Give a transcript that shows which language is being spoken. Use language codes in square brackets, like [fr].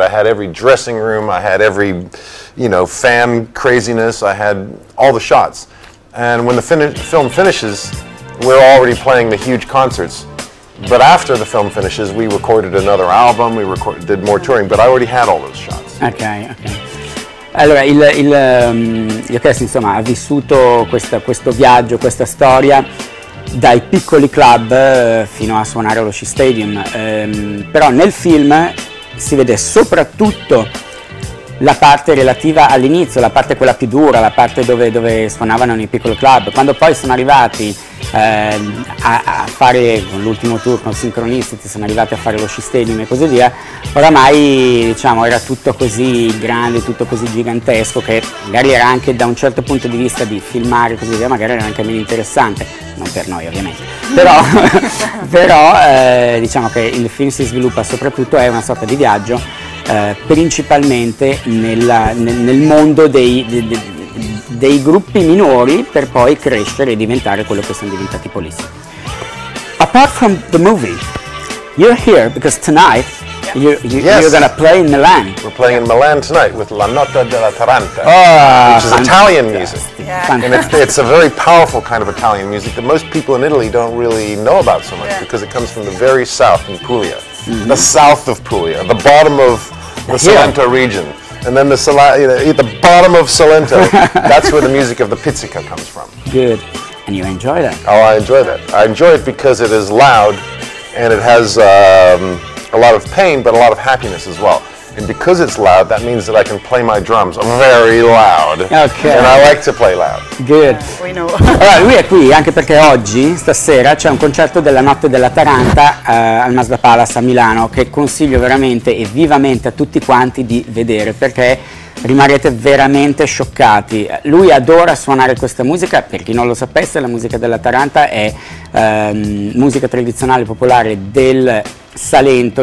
[en] I had every dressing room. I had every, you know, fan craziness. I had all the shots. And when the film finishes, we're already playing the huge concerts. But after the film finishes, we recorded another album. We did more touring, but I already had all those shots. Okay. [it] Allora, io credo, insomma, ha vissuto questo viaggio, questa storia, dai piccoli club fino a suonare allo Shea Stadium. Però nel film si vede soprattutto la parte relativa all'inizio, la parte quella più dura, la parte dove suonavano nei piccoli club. Quando poi sono arrivati a fare l'ultimo tour con Synchronicity, sono arrivati a fare lo Shea Stadium e così via, oramai, diciamo, era tutto così grande, tutto così gigantesco, che magari era anche, da un certo punto di vista, di filmare così via, magari era anche meno interessante, non per noi ovviamente, diciamo che il film si sviluppa soprattutto, è una sorta di viaggio principalmente nel mondo dei gruppi minori, per poi crescere e diventare quello che sono diventati poi. [en] Apart from the movie, you're here because tonight you're going to play in Milan. We're playing in Milan tonight with La Notte della Taranta, which is Italian music. Yeah. And it's a very powerful kind of Italian music that most people in Italy don't really know about so much, because it comes from the very south in Puglia. Mm-hmm. The south of Puglia, the bottom of the Salento region. And then at the bottom of Salento, that's where the music of the pizzica comes from. Good. And you enjoy that? Oh, I enjoy that. I enjoy it because it is loud and it has a lot of pain, but a lot of happiness as well. And because it's loud, that means that I can play my drums very loud. Okay. And I like to play loud. Good. We know. [it] Allora, lui è qui anche perché oggi, stasera, c'è un concerto della Notte della Taranta al Mazda Palace a Milano, che consiglio veramente e vivamente a tutti quanti di vedere, perché rimarrete veramente scioccati. Lui adora suonare questa musica. Per chi non lo sapesse, la musica della Taranta è musica tradizionale popolare del Salento.